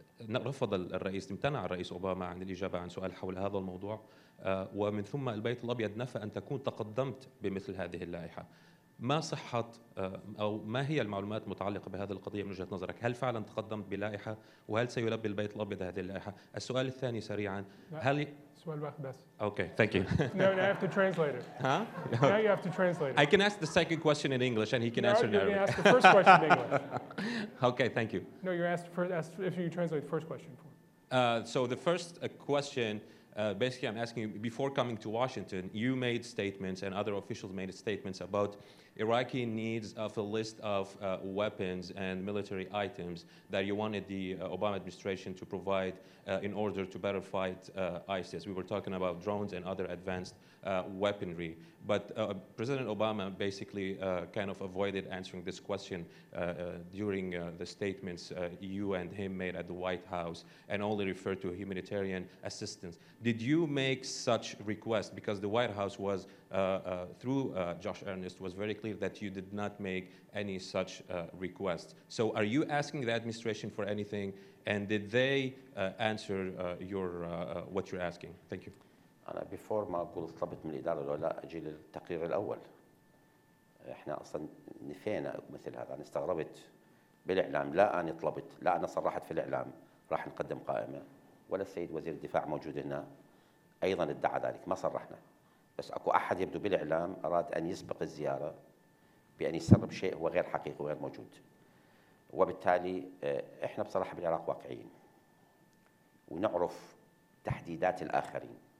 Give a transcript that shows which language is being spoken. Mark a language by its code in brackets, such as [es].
[ar] رفض الرئيس امتنع الرئيس أوباما عن الإجابة عن سؤال حول هذا الموضوع ومن ثم البيت الأبيض نفى أن تكون تقدمت بمثل هذه اللائحة ما صحة أو ما هي المعلومات المتعلقة بهذه القضية من وجهة نظرك؟ هل فعلا تقدمت بلائحة؟ وهل سيلبي البيت الأبيض هذه اللائحة؟ السؤال الثاني سريعا هل سؤال واحد بس [en] Okay, thank you. No, now I have to translate it. Huh? Now you have to translate it. I can ask the second question in English and he can now answer in Arabic. Now you can ask the first question in English. Okay, thank you. No, you asked for, if you translate the first question for So the first question basically, I'm asking you, before coming to Washington, you made statements and other officials made statements about Iraqi needs of a list of weapons and military items that you wanted the Obama administration to provide in order to better fight ISIS. We were talking about drones and other advanced weaponry. But President Obama basically kind of avoided answering this question during the statements you and him made at the White House and only referred to humanitarian assistance. Did you make such request? Because the White House was, through Josh Earnest, was very clear that you did not make any such request. So are you asking the administration for anything? And did they answer what you're asking? Thank you. [ar] أنا بفور ما أقول طلبت من الإدارة ولا أجي للتقرير الأول إحنا أصلاً نفينا مثل هذا أنا استغربت بالإعلام لا أنا طلبت لا أنا صرحت في الإعلام راح نقدم قائمة ولا السيد وزير الدفاع موجود هنا أيضاً ادعى ذلك ما صرحنا بس أكو أحد يبدو بالإعلام أراد أن يسبق الزيارة بأن يسرب شيء هو غير حقيقي وغير موجود وبالتالي إحنا بصراحة بالعراق واقعين ونعرف تحديدات الآخرين